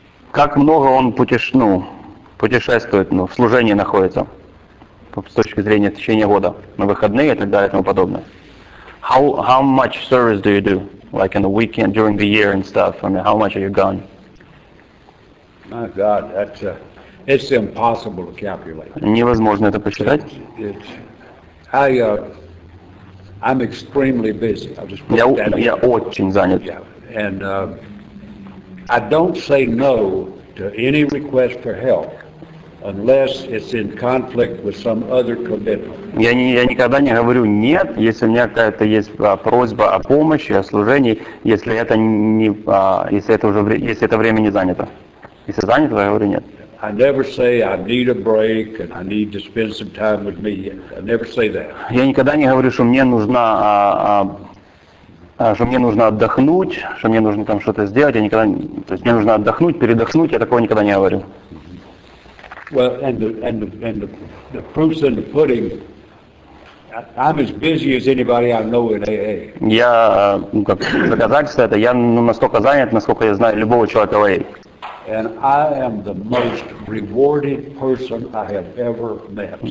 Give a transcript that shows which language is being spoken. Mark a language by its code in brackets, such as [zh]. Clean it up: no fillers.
[ru] Как много он путешествует, ну, в служении находится с точки зрения течения года, на выходные и так далее и тому подобное. [en] How much service do you do, like in the weekend, during the year and stuff? I mean, how much are you gone? My God, it's impossible to calculate. [ru] Невозможно это посчитать. [en] I'm extremely busy. I'll just put that in. [ru] Я очень занят. [en] Yeah. And I don't say no to any request for help unless it's in conflict with some other commitment. [ru] Я никогда не говорю нет, если у меня какая-то есть просьба о помощи, о служении, если это не если это время не занято. Если занято, то я говорю нет. [en] I never say I need a break and I need to spend some time with me. I never say that. [ru] Я никогда не говорю, что мне нужно отдохнуть, что мне нужно там что-то сделать. Мне нужно отдохнуть, передохнуть. Я такого никогда не говорю. [en] Well, and the proof's in the pudding. I'm as busy as anybody I know in AA. [ru] Я как доказательство это я настолько занят, насколько я знаю любого человека в AA. [en] And I am the most rewarded person I have ever met.